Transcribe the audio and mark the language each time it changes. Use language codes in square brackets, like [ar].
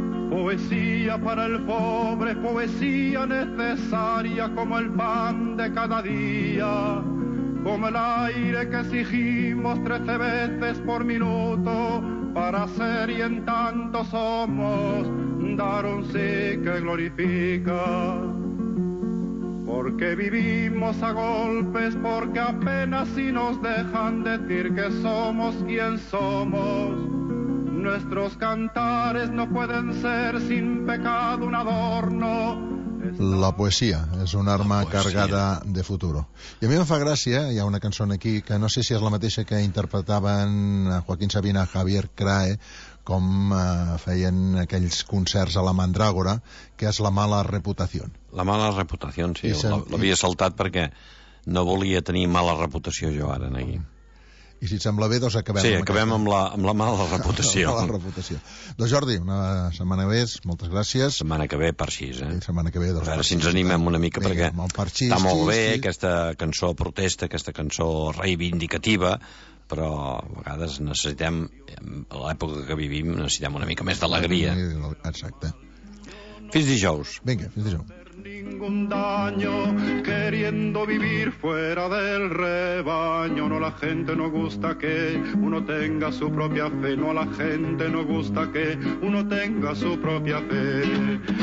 [es] Poesía para el pobre, poesía necesaria como el pan de cada día, como el aire que exigimos 13 veces por minuto para ser y en tanto somos, dar un sí que glorifica. Porque vivimos a golpes, porque apenas si nos dejan decir que somos quien somos. Nuestros cantares no pueden ser sin pecado un adorno. La poesia és una arma cargada de futuro. [ca] I a mi em fa gràcia, hi ha una cançó aquí, que no sé si és la mateixa que interpretaven Joaquín Sabina, Javier Crae, com feien aquells concerts a la Mandrágora, que és La mala reputació. La mala reputació, sí. L'havia saltat perquè no volia tenir mala reputació jo ara, aquí. I si et sembla bé, doncs acabem... Sí, acabem amb la mala reputació. La mala reputació. Doncs Jordi, una setmana que ve, moltes gràcies. Setmana que ve, per sis, eh? I setmana que ve, doncs... A veure si ens animem una mica, perquè està molt bé aquesta cançó protesta, aquesta cançó reivindicativa, però a vegades necessitem, a l'època que vivim, necessitem una mica més d'alegria. Exacte. Fins dijous. Vinga, fins dijous. [es] Ningún daño, queriendo vivir fuera del rebaño. No, la gente no gusta que uno tenga su propia fe. No, la gente no gusta que uno tenga su propia fe.